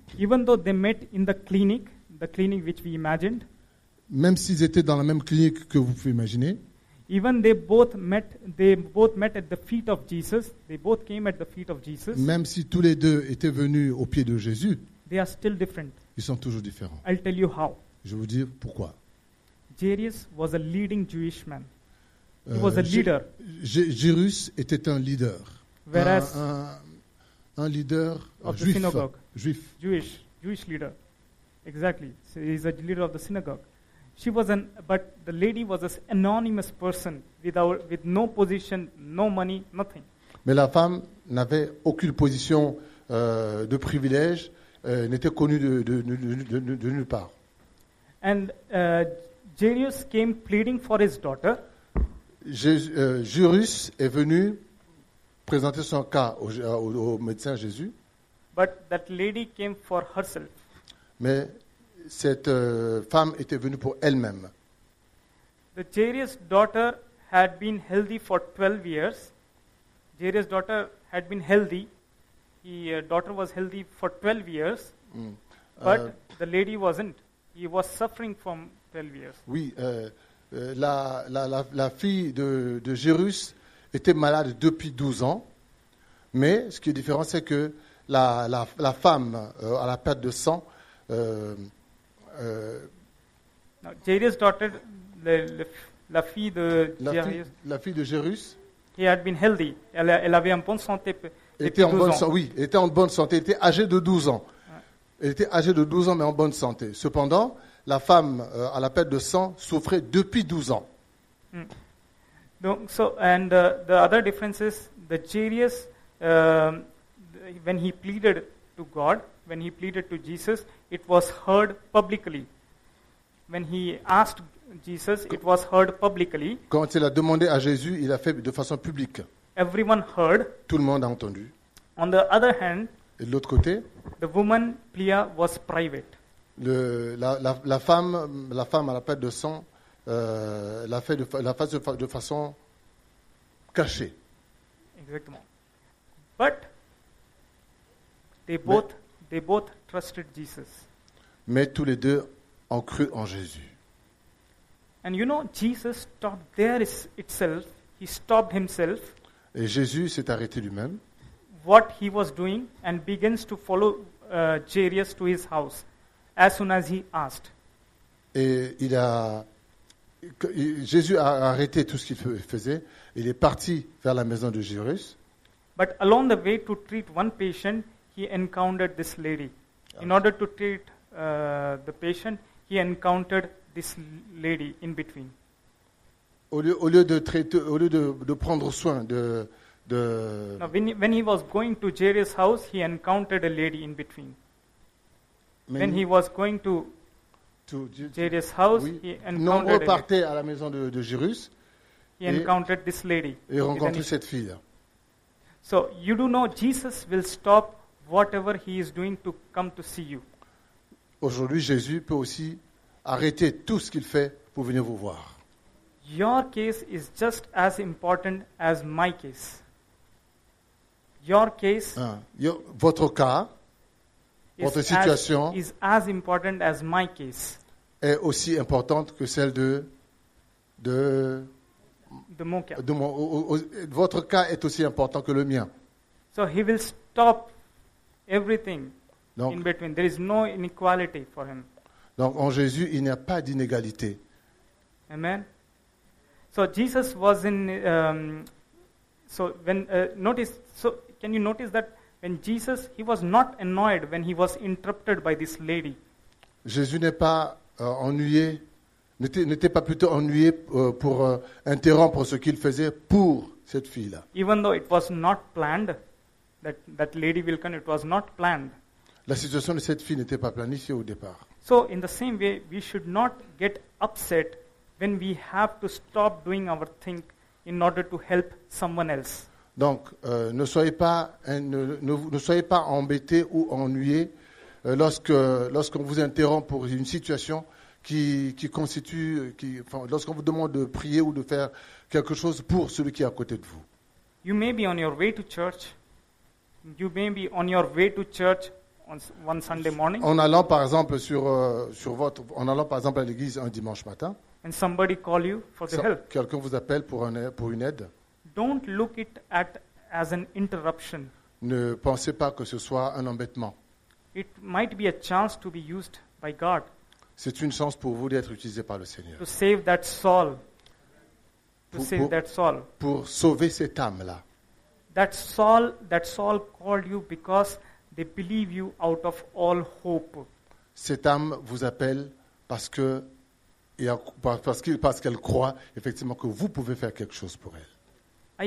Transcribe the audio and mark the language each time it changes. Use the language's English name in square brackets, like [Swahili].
[English] even though they met in the clinic which we imagined, [French] même s'ils étaient dans la même clinique que vous pouvez imaginer, [English] even they both met at the feet of Jesus, they both came at the feet of Jesus, [French] même si tous les deux étaient venus aux pieds de Jésus, [English] they are still different. [French] Ils sont toujours différents. [English] I'll tell you how. [French] Je vais vous dire pourquoi. [English] Jairus was a leading Jewish man. He was a leader. [French] Jairus était un leader. [English] Whereas [French] un leader [English] of [French] juif, [English] the synagogue. [French] Juif. [English] Jewish leader. Exactly. So he's a leader of the synagogue. She was but the lady was an anonymous person with no position, no money, nothing. [French] Mais la femme n'avait aucune position de privilège. N'était connu de nulle part. [English] And Jairus came pleading for his daughter. [French] Jairus est venu présenter son cas au médecin Jésus. [English] But that lady came for herself. [French] Mais cette femme était venue pour elle-même. [English] The Jairus' daughter had been healthy for 12 years. Jairus' daughter had been healthy. His daughter was healthy for 12 years, but the lady wasn't. He was suffering from 12 years. [French] Oui, la fille de Jairus était malade depuis 12 ans, mais ce qui est différent, c'est que la femme à la perte de sang. [English] Now, Jairus' daughter, [French] la fille de Jairus. La fille de Jairus. [English] He had been healthy. [French] Elle avait en bonne santé. Était en bonne santé. Oui, était en bonne santé. Était âgée de 12 ans. Elle était âgée de 12 ans, mais en bonne santé. Cependant, la femme à la perte de sang souffrait depuis 12 ans. Donc, [English] the other difference is the Jairus, when he pleaded to God, when he pleaded to Jesus, it was heard publicly. When he asked Jesus, it was heard publicly. [French] Quand il a demandé à Jésus, il a fait de façon publique. [English] Everyone heard. [French] Tout le monde a entendu. [English] On the other hand, [French] et de l'autre côté, [English] the woman Pia was private. [French] La femme à la perte de sang l'a fait de façon cachée. Exactement. [English] But they both trusted Jesus. [French] Mais tous les deux ont cru en Jésus. [English] And you know, Jesus stopped there itself. He stopped himself. [French] Et Jésus s'est arrêté lui-même. [English] What he was doing and begins to follow Jairus to his house as soon as he asked. [French] Et Jésus a arrêté tout ce qu'il faisait. Il est parti vers la maison de Jairus. [English] But along the way to treat one patient, he encountered this lady. In order to treat the patient, he encountered this lady in between. [French] Au lieu de prendre soin de [English] now, when he was going to Jairus' house, he encountered a lady in between. When he was going to Jairus' house, [French] oui, [English] he encountered a lady. [French] À la maison de Jairus, [English] he encountered this lady. [French] Et rencontré cette fille. [English] So you do know Jesus will stop whatever he is doing to come to see you. [French] Aujourd'hui, Jésus peut aussi arrêter tout ce qu'il fait pour venir vous voir. [English] Your case is just as important as my case. Your case, [French] votre cas, votre situation [English] is as important as my case. [French] Est aussi importante que celle de mon cas. Votre cas est aussi important que le mien. [English] So he will stop everything. [French] Donc, [English] in between, there is no inequality for him. [French] Donc en Jésus, il n'y a pas d'inégalité. [English] Amen. So Jesus was in. Can you notice that when Jesus, he was not annoyed when he was interrupted by this lady. [French] Jésus n'est pas ennuyé. N'était pas plutôt ennuyé pour interrompre ce qu'il faisait pour cette fille-là. [English] Even though it was not planned, that lady will come. It was not planned. [French] La situation de cette fille n'était pas planifiée au départ. [English] So in the same way, we should not get upset when we have to stop doing our thing in order to help someone else. [French] Donc, ne soyez pas embêté ou ennuyé lorsqu'on vous interrompt pour une situation lorsqu'on vous demande de prier ou de faire quelque chose pour celui qui est à côté de vous. [English] You may be on your way to church. You may be on your way to church on one Sunday morning. [French] En allant par exemple à l'église un dimanche matin. [English] And somebody call you for the help. [French] Quelqu'un vous appelle pour une aide. [English] Don't look it at as an interruption. [French] Ne pensez pas que ce soit un embêtement. [English] It might be a chance to be used by God. [French] C'est une chance pour vous d'être utilisé par le Seigneur. [English] To save that soul. To save that soul. [French] Pour sauver cette âme là. [English] That soul called you because they believe you out of all hope. [French] Cette âme vous appelle parce qu'elle croit effectivement que vous pouvez faire quelque chose pour elle.